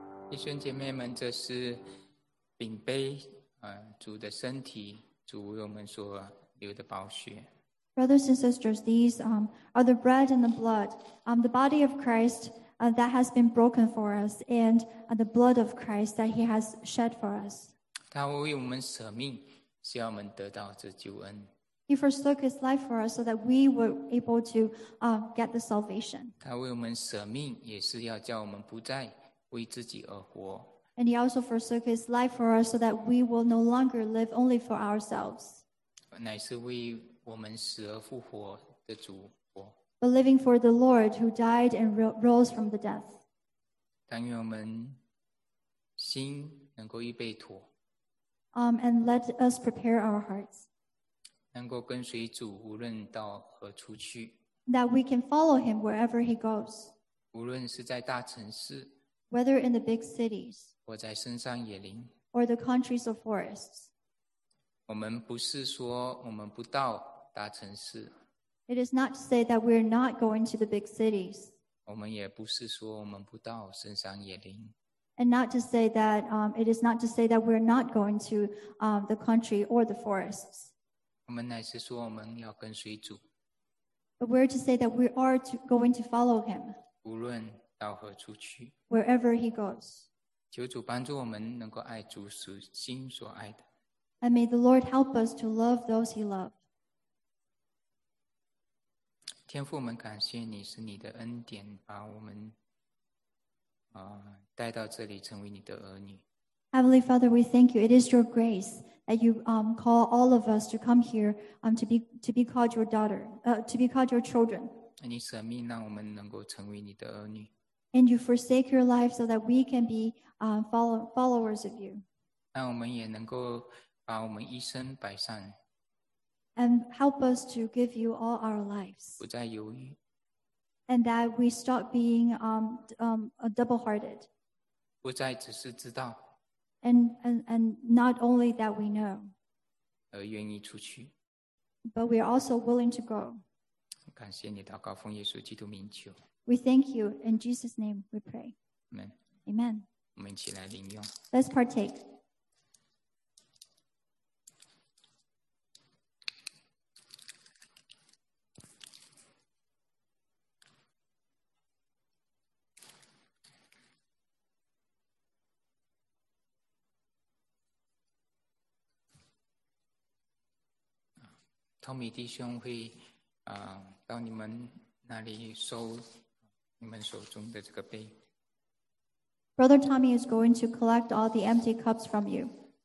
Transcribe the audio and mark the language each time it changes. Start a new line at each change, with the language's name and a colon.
Chinese: 弟兄姐妹们，这是饼杯，主的身体，主为我们所流的宝血。
English: Brothers and sisters, these are the bread and the blood, the body of Christ that has been broken for us, and the blood of Christ that He has shed for us.
Chinese: 他为我们舍命，使我们得到这救恩。
English: He forsook His life for us so that we were able to get the salvation.
Chinese: 他为我们舍命，也是要叫我们不再为自己而活。
English: And He also forsook His life for us so that we will no longer live only for ourselves.
Chinese: 乃是为我们死而复活的主活。
English: But living for the Lord who died and rose from the death.
Chinese: 但愿我们心能够预备妥。
English: And let us prepare our hearts.
Chinese: 能够跟随主无论到何处去。
English: That we can follow Him wherever He goes.
Chinese: 无论是在大城市，
English: whether in the big cities,
Chinese: 或在深山野林,
English: or the countries of forests.
Chinese: 我们不是说我们不到大城市,
English: it is not to say that we are not going to the big cities.
Chinese: 我们也不是说我们不到深山野林,
English: and not to say that, it is not to say that we are not going to, the country or the forests.
Chinese: 我们乃是说我们要跟随主,
English: but we are to say that we are to, going to follow Him.
Chinese: 无论到何处去,
English: wherever He goes.
Chinese: 求主帮助我们能够爱主属心所爱的。
English: And may the Lord help us to love those He loved.
Chinese: 天父，我们感谢你，是你的恩典把我们带到这里成为你的儿女。
English: Heavenly Father, we thank you. It is your grace that you call all of us to come here to be called your daughter, to be called your children.
Chinese: 你舍命让我们能够成为你的儿女。
English: And you forsake your life so that we can be followers of you.
Chinese: 让我们也能够把我们一生摆上。
English: And help us to give you all our lives.
Chinese: 不再犹豫。
English: And that we stop being double-hearted.
Chinese: 不再只是知道。
English: And not only that we know.
Chinese: 而愿意出去。
English: But we are also willing to go.
Chinese: 感谢你祷告奉耶稣基督名求。
English: We thank you. In Jesus' name we pray. Amen. Amen.
Chinese: 我们一起来领用。
English: Let's partake.
Chinese: 汤米弟兄会到你们那里收你们手中的这个杯。
English: Brother Tommy is going to collect all the empty cups from you.